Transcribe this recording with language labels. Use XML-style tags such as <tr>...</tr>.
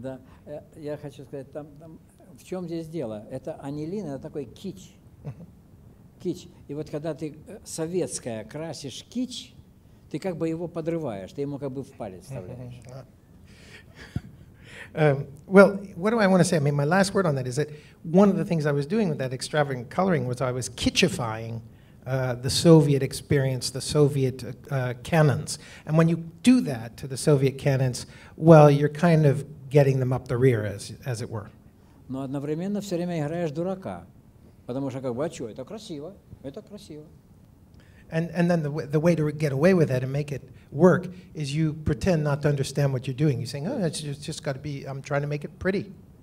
<ru>Да, я хочу сказать, там в чем здесь дело? Это анилин, это такой кич. Кич. И вот когда ты советская красишь кич, ты как бы его подрываешь, ты ему как бы в палец вставляешь.</ru> <en>Well, what do I want to say? I mean, my last word on that is that one of the things I was doing with that extravagant coloring was I was kitschifying the Soviet experience, the Soviet canons. And when you do that to the Soviet canons, well, you're kind of getting them up the rear, as it were.</en> <ru>Но одновременно все время играешь дурака, потому что как бы, а что, это красиво, это красиво.</ru> <en>And then the way to get away with that and make it work is you pretend not to understand what you're doing. You're saying, oh, it's just got to be, I'm trying to make it pretty.</en>